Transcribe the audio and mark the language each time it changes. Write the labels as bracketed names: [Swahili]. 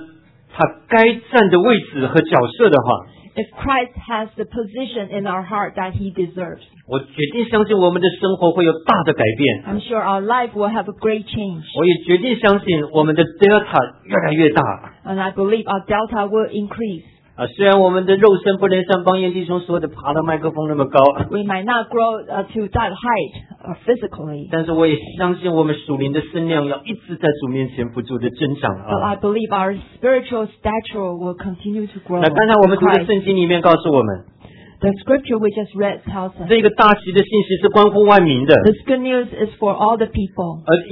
[Chinese] 如果真是耶稣基督在我们的生命中扮演了他该站的位置和角色的话， [English] If Christ has the position in our heart that he deserves, [Chinese] 我决定相信我们的生活会有大的改变。 [English] I'm sure our life will have a great change. [Chinese] 我也决定相信我们的Delta越来越大。 [English] And I believe our Delta will increase. [Chinese] 虽然我们的肉身不能像邦彦弟兄说的爬到麦克风那么高， [English] We might not grow to that height physically. [Chinese] 但是我也相信我们属灵的身量要一直在主面前不住的增长。 [English] But I believe our spiritual stature will continue to grow. [Chinese] 那刚才我们读的圣经里面告诉我们， [English] The scripture we just read tells us, [Chinese] 这个大喜的信息是关乎万民的。 [English] This good news is for all the people.